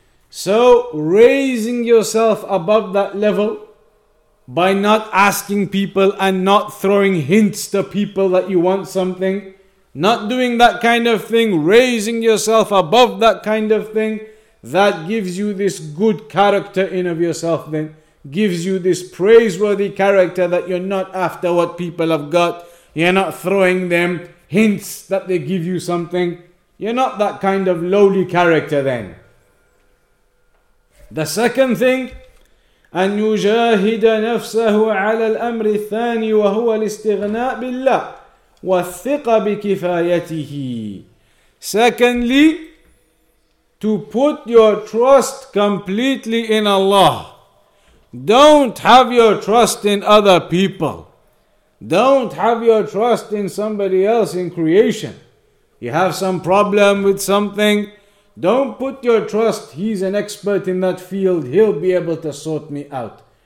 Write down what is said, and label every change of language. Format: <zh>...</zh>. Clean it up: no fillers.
<en>So raising yourself above that level by not asking people and not throwing hints to people that you want something, not doing that kind of thing, raising yourself above that kind of thing, that gives you this good character in of yourself, then gives you this praiseworthy character that you're not after what people have got. You're not throwing them hints that they give you something. You're not that kind of lowly character then. The second thing,</en> <ar>أن يجاهد نفسه على الأمر الثاني وهو الاستغناء بالله والثقة بكفايته.</ar> <en>Secondly, to put your trust completely in Allah. Don't have your trust in other people. Don't have your trust in somebody else in creation. You have some problem with something, don't put your trust, he's an expert in that field, he'll be able to sort me out.</en>